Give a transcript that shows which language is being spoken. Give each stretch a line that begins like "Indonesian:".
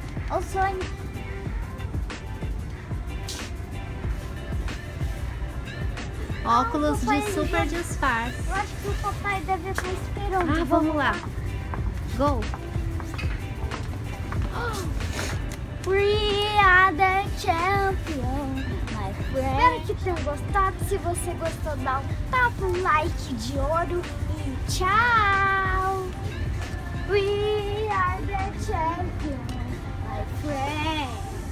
Portuguese: O sonho. Óculos de super disfarce. Eu acho que o papai deve estar esperando. Ah, vamos lá. Go.
English: We are the champion, my friend.
Portuguese: Espero que tenham gostado. Se você gostou, dá um tapa, um like de ouro e tchau.
English: We are the champion, my friend.